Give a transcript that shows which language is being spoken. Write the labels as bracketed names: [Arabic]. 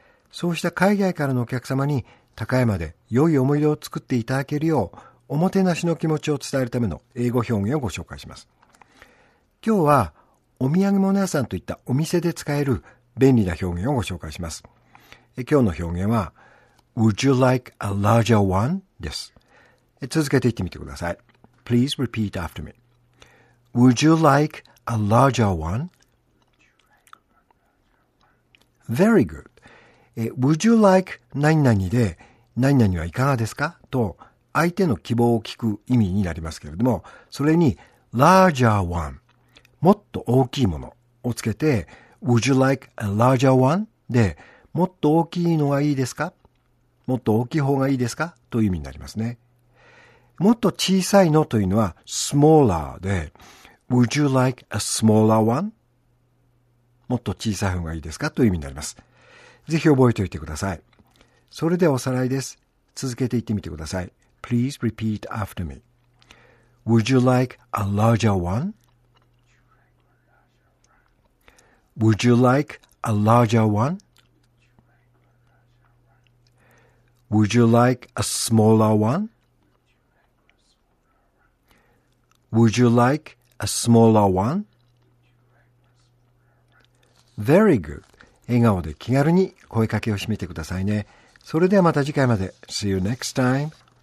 [Japanese] そうした海外からのお客様に高山で良い思い出を作っていただけるよう、おもてなしの気持ちを伝えるための英語表現をご紹介します。今日はお土産物屋さんといったお店で使える便利な表現をご紹介します。今日の表現は、 [English] Would you like a larger one? [Japanese] です。続けて言ってみてください。 [English] Please repeat after me. Would you like a larger one? Very good. [Japanese] Would you like 何々で何々はいかがですかと相手の希望を聞く意味になりますけれども、それに larger one もっと大きいものをつけて [English] Would you like a larger one? [Japanese] でもっと大きいのがいいですかもっと大きい方がいいですかという意味になりますね。もっと小さいのというのは smaller で [English] Would you like a smaller one? [Japanese] もっと小さい方がいいですかという意味になります。ぜひ覚えておいてください。それではおさらいです。続けて言ってみてください。 [English] Please repeat after me. Would you like a larger one? Would you like a larger one? Would you like a smaller one? Would you like a smaller one? Very good. [Japanese] 笑顔で気軽に声かけをしてみてくださいね。それではまた次回まで。 [English] See you next time.